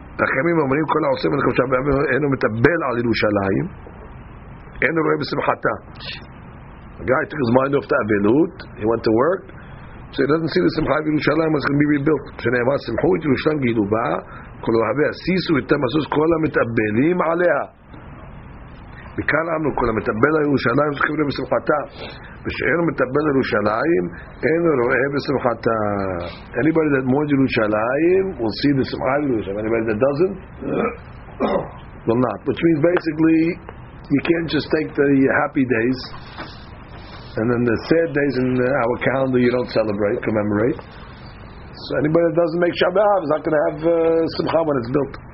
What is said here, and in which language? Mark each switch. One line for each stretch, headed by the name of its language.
Hebrew: החכמים אומרים כל העושה מלאכה בתשעה באב אין הוא מתאבל על ירושלים אין הוא רואה בשמחתה.
English: The guy took his mind off the avilut, he went to work, so he doesn't see the
Hebrew: שמחה בירושלים,
English: it's going to be rebuilt.
Hebrew: שנאמר שמחו את ירושלים גילו בה כל אוהבי הסיסו את המסוס כל המתאבלים עליה. מכאן אמרו כל המתאבל על ירושלים צריכים לראות בשמחתה, ושאין הוא מתאבל על ירושלים אין הוא רואה בשמחתה.
English: Anybody that mourns ירושלים will see the
Hebrew: שמחה בירושלים.
English: Anybody that doesn't will not, which means basically you can't just take the happy days and then the sad days in our calendar you don't celebrate, commemorate. So anybody that doesn't make Shabbat is not going to have Simcha when it's built.